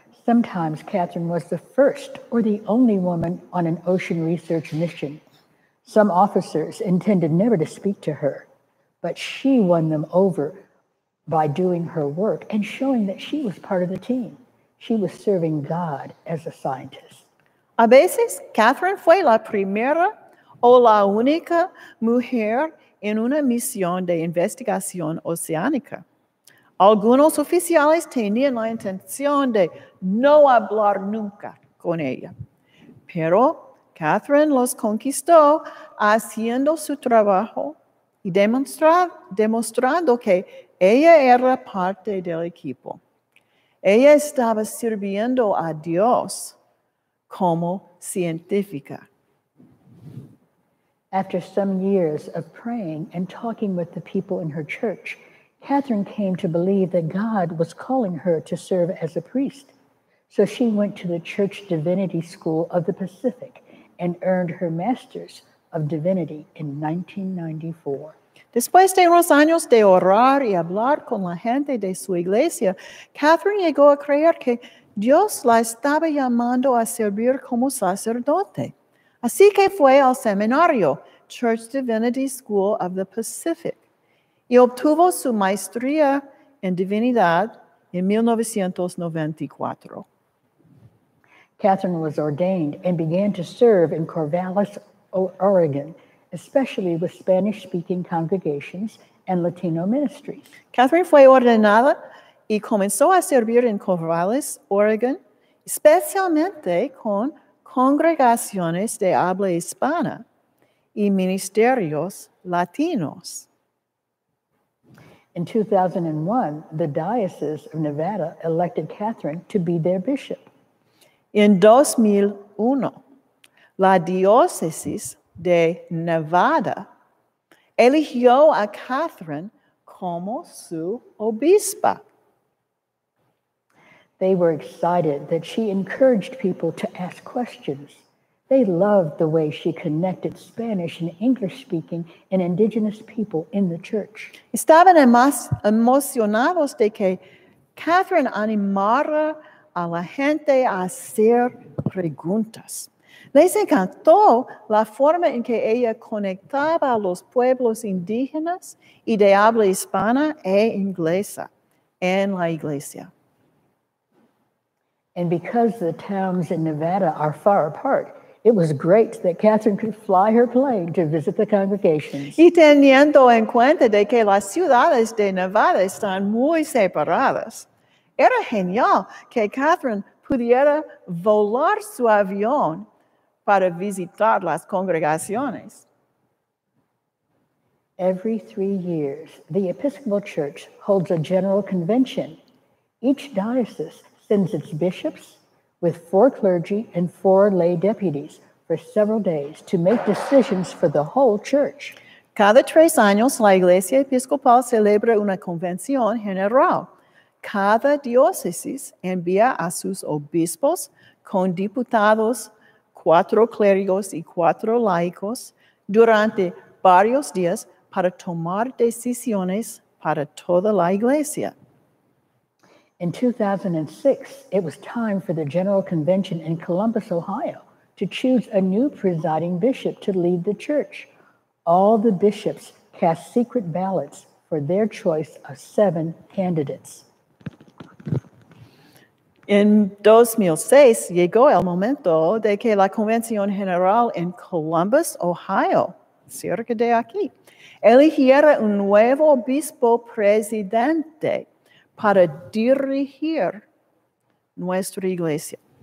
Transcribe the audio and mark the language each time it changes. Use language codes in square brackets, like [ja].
[en] Sometimes Katharine was the first or the only woman on an ocean research mission. Some officers intended never to speak to her, but she won them over by doing her work and showing that she was part of the team. She was serving God as a scientist. [es] A veces, Katharine fue la primera o la única mujer en una misión de investigación oceánica. Algunos oficiales tenían la intención de no hablar nunca con ella. Pero Katharine los conquistó haciendo su trabajo y demostrando que ella era parte del equipo. Ella estaba sirviendo a Dios como científica. [en] After some years of praying and talking with the people in her church, Katharine came to believe that God was calling her to serve as a priest. So she went to the Church Divinity School of the Pacific and earned her Master's of Divinity in 1994. [es] Después de unos años de orar y hablar con la gente de su iglesia, Katharine llegó a creer que Dios la estaba llamando a servir como sacerdote. Así que fue al seminario, Church Divinity School of the Pacific, y obtuvo su maestría en divinidad en 1994. [en] Katharine was ordained and began to serve in Corvallis, Oregon, especially with Spanish-speaking congregations and Latino ministries. [es] Katharine fue ordenada y comenzó a servir en Corvallis, Oregon, especialmente con congregaciones de habla hispana y ministerios latinos. [en] In 2001, the Diocese of Nevada elected Katharine to be their bishop. In 2001, [es] la Diócesis de Nevada eligió a Katharine como su obispa. [en] They were excited that she encouraged people to ask questions. They loved the way she connected Spanish and English speaking and indigenous people in the church. [es] Estaban emocionados de que Katharine animara a la gente a hacer preguntas. Les encantó la forma en que ella conectaba a los pueblos indígenas y de habla hispana e inglesa en la iglesia. [en] And because the towns in Nevada are far apart, it was great that Katharine could fly her plane to visit the congregations. [es] Y teniendo en cuenta de que las ciudades de Nevada están muy separadas, era genial que Katharine pudiera volar su avión para visitar las congregaciones. [en] Every 3 years, the Episcopal Church holds a general convention. Each diocese sends its bishops with 4 clergy and 4 lay deputies for several days to make decisions for the whole church. [es] Cada 3 años, la Iglesia Episcopal celebra una convención general. Cada diócesis envía a sus obispos con diputados, 4 clérigos y 4 laicos durante varios días para tomar decisiones para toda la iglesia. [en] In 2006, it was time for the General Convention in Columbus, Ohio, to choose a new presiding bishop to lead the church. All the bishops cast secret ballots for their choice of 7 candidates. [es] En 2006, llegó el momento de que la Convención General en Columbus, Ohio, cerca de aquí, eligiera un nuevo obispo presidente para dirigir nuestra iglesia.